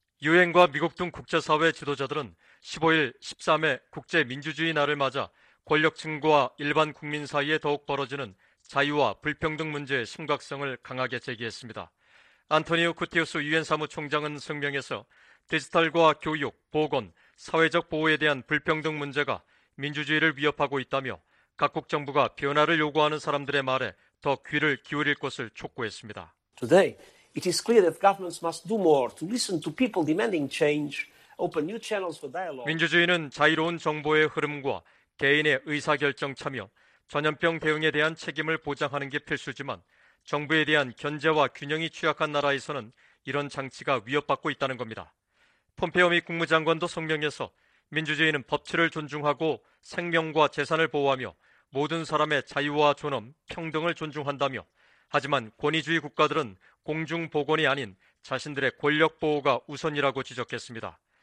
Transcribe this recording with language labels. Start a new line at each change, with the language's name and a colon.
Korean: 유엔과 미국 등 국제사회 지도자들은 15일, 13회 국제민주주의 날을 맞아 권력층과 일반 국민 사이에 더욱 벌어지는 자유와 불평등 문제의 심각성을 강하게 제기했습니다. 안토니오 구테우스 유엔 사무총장은 성명에서 디지털과 교육, 보건, 사회적 보호에 대한 불평등 문제가 민주주의를 위협하고 있다며 각국 정부가 변화를 요구하는 사람들의 말에 더 귀를 기울일 것을 촉구했습니다.
English: Today, it is clear that governments must do more to listen to people demanding change, open new channels for dialogue.
Korean: 민주주의는 자유로운 정보의 흐름과 개인의 의사결정 참여, 전염병 대응에 대한 책임을 보장하는 게 필수지만 정부에 대한 견제와 균형이 취약한 나라에서는 이런 장치가 위협받고 있다는 겁니다. 폼페오 미 국무장관도 성명에서 민주주의는 법치를 존중하고 생명과 재산을 보호하며 모든 사람의 자유와 존엄, 평등을 존중한다며 하지만 권위주의 국가들은 공중보건이 아닌 자신들의 권력보호가 우선이라고 지적했습니다.